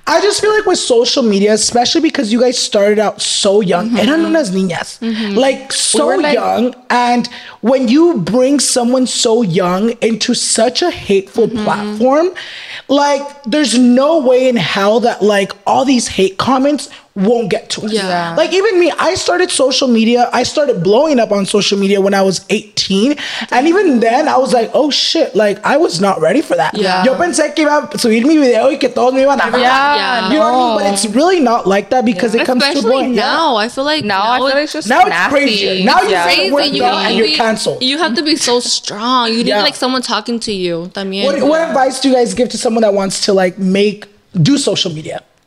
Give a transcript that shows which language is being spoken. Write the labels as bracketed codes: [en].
[en] I just feel like with social media, especially because you guys started out so young, [es] eran unas niñas, [en] like, so young, and when you bring someone so young into such a hateful platform, like, there's no way in hell that, like, all these hate comments won't get to us. Yeah. Like, even me, I started blowing up on social media when I was 18, and even then, I was like, oh shit, like, I was not ready for that. Yeah. [es] Yo pensé que iba a subir mi video y que todos me iban a... [en] Yeah, you know what I mean? But it's really not like that because it comes especially to boy. Now, I feel like now it's just crazy. Now you're crazy. You're canceled. You have to be so strong. You need like someone talking to you. What advice do you guys give to someone that wants to like make do social media?